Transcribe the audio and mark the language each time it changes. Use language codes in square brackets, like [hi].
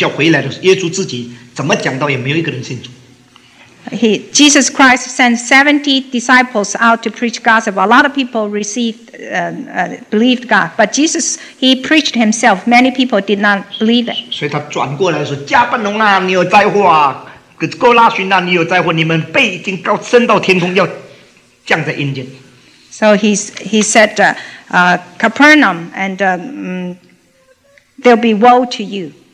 [zh] 耶稣差遣70个人出去传道，很多果效回来的时候，耶稣自己怎么讲道也没有一个人信主。 [en] Jesus Christ sent 70 disciples out to preach gospel. A lot of people believed God, but Jesus, he preached himself. Many people did not believe it. [zh] 所以他转过来说：“加百农啊，你有灾祸啊！哥拉逊啊，你有灾祸！你们被已经高升到天空，要降在阴间。” [en] So he said, "Capernaum, and there'll be woe to you."